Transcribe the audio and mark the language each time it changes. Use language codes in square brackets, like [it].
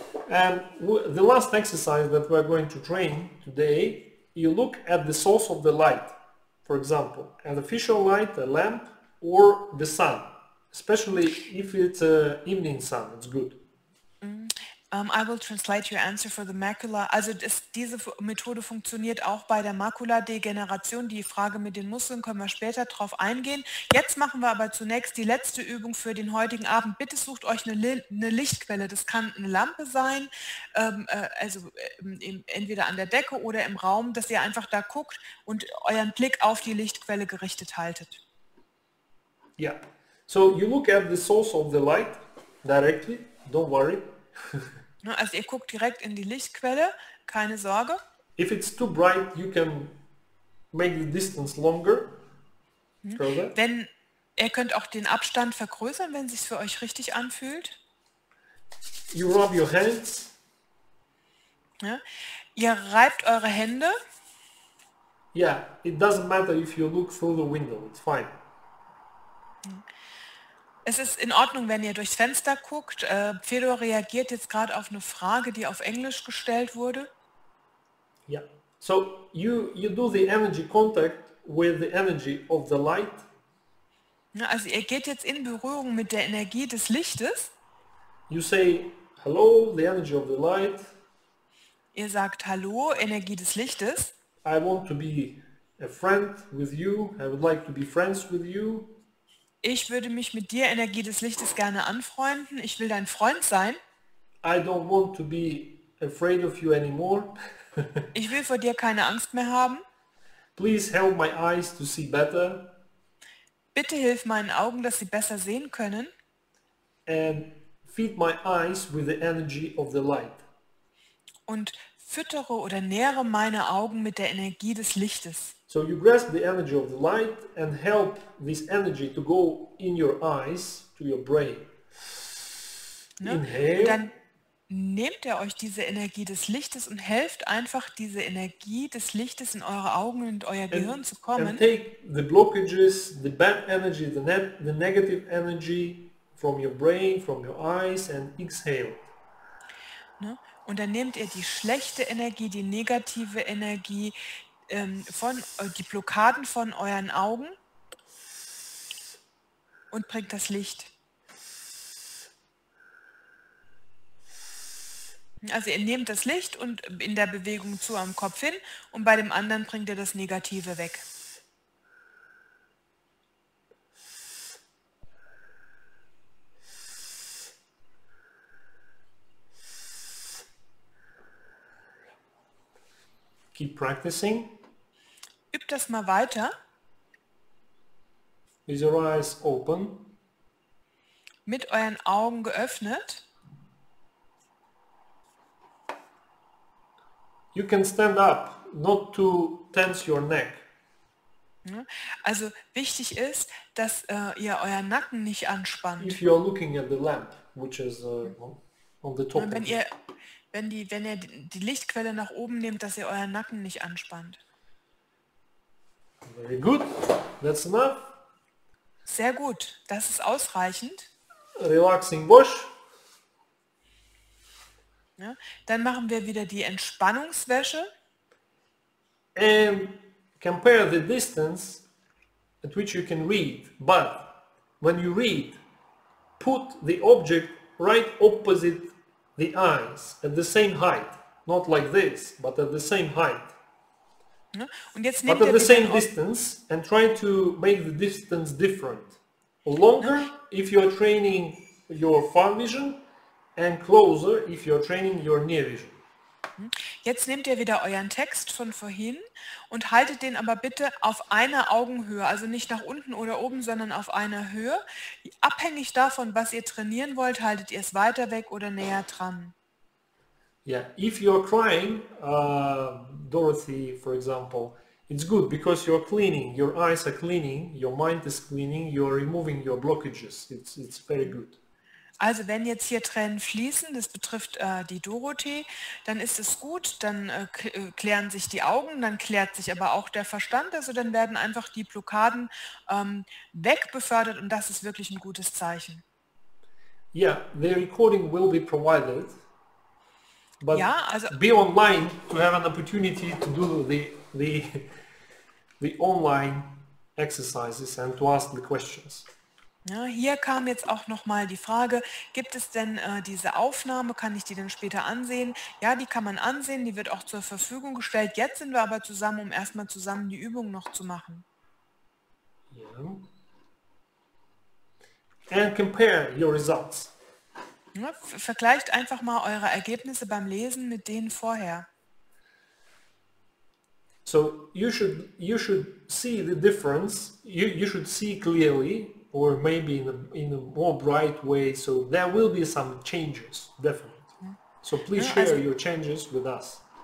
[en] And the last exercise that we're going to train today, you look at the source of the light, for example, an artificial light, a lamp, or the sun, especially if it's an evening sun, it's good. I will translate your answer for the macula. [de] Also diese Methode funktioniert auch bei der Makuladegeneration. Die Frage mit den Muskeln können wir später drauf eingehen. Jetzt machen wir aber zunächst die letzte Übung für den heutigen Abend. Bitte sucht euch eine Lichtquelle. Das kann eine Lampe sein, entweder an der Decke oder im Raum, dass ihr einfach da guckt und euren Blick auf die Lichtquelle gerichtet haltet. [en] Yeah. So you look at the source of the light directly. Don't worry. [de] Also ihr guckt direkt in die Lichtquelle, keine Sorge. [en] If it's too bright, you can make the distance longer, further. [de] Wenn ihr könnt auch den Abstand vergrößern, wenn es sich für euch richtig anfühlt. [en] You rub your hands. [de] Ja. Ihr reibt eure Hände. [en] Yeah, it doesn't matter if you look through the window, it's fine. [de] Es ist in Ordnung, wenn ihr durchs Fenster guckt. Fedor reagiert jetzt gerade auf eine Frage, die auf Englisch gestellt wurde. [en] Yeah. So you do the energy contact with the energy of the light. [de] Also ihr geht jetzt in Berührung mit der Energie des Lichtes. [en] You say hello, the energy of the light. [de] Ihr sagt hallo, Energie des Lichtes. [en] I want to be a friend with you. I would like to be friends with you. [de] Ich würde mich mit dir, Energie des Lichtes, gerne anfreunden. Ich will dein Freund sein. [en] I don't want to be afraid of you anymore. [de] Ich will vor dir keine Angst mehr haben. [en] Please help my eyes to see better. [de] Bitte hilf meinen Augen, dass sie besser sehen können. [en] And feed my eyes with the energy of the light. [de] Und füttere oder nähre meine Augen mit der Energie des Lichtes. [en] So you grasp the energy of the light and help this energy to go in your eyes, to your brain. [de] Ne? [en] Inhale. [de] Und dann nehmt ihr euch diese Energie des Lichtes und helft einfach diese Energie des Lichtes in eure Augen und euer Gehirn zu kommen. [en] And take the blockages, the bad energy, the negative energy from your brain, from your eyes and exhale. [de] Ne? Und dann nehmt ihr die schlechte Energie, die negative Energie, von die Blockaden von euren Augen und bringt das Licht. Also ihr nehmt das Licht und in der Bewegung zu am Kopf hin und bei dem anderen bringt ihr das Negative weg. [en] Keep practicing. [de] Üb das mal weiter. [en] With your eyes open. [de] Mit euren Augen geöffnet. [en] You can stand up, not to tense your neck. [de] Also wichtig ist, dass ihr euren Nacken nicht anspannt. [en] If you are looking at the lamp, which is on the top. [de] Wenn ihr die Lichtquelle nach oben nehmt, dass ihr euren Nacken nicht anspannt. [en] Very good, that's enough. [de] Sehr gut, das ist ausreichend. [en] Relaxing Bush. [de] Ja, dann machen wir wieder die Entspannungswäsche. [en] And compare the distance at which you can read. But when you read, put the object right opposite the eyes at the same height. Not like this, but at the same height. [de] Und jetzt [en] but at the same distance and try to make the distance different. Longer if you are training your far vision. And closer if you're training your near vision. [de] Jetzt nehmt ihr wieder euren Text von vorhin und haltet den aber bitte auf einer Augenhöhe, also nicht nach unten oder oben, sondern auf einer Höhe. Abhängig davon, was ihr trainieren wollt, haltet ihr es weiter weg oder näher dran. [en] Yeah, if you're crying, Dorothy, for example, it's good because you're cleaning, your eyes are cleaning, your mind is cleaning, you're removing your blockages. It's very good. [de] Also wenn jetzt hier Tränen fließen, das betrifft die Dorothee, dann ist es gut, dann klären sich die Augen, dann klärt sich aber auch der Verstand, also dann werden einfach die Blockaden wegbefördert und das ist wirklich ein gutes Zeichen. [en] Yeah, the recording will be provided, [de] but ja, also, [en] be online to have an opportunity to do the online exercises and to ask the questions. [de] Ja, hier kam jetzt auch nochmal die Frage, gibt es denn diese Aufnahme, kann ich die denn später ansehen? Ja, die kann man ansehen, die wird auch zur Verfügung gestellt. Jetzt sind wir aber zusammen, um erstmal zusammen die Übung noch zu machen. [en] Yeah. And compare your results. [de] Ja, vergleicht einfach mal eure Ergebnisse beim Lesen mit denen vorher. [en] So, you should see the difference, you should see clearly. Or maybe in a more bright way, so there will be some changes, definitely. So please share your changes with us.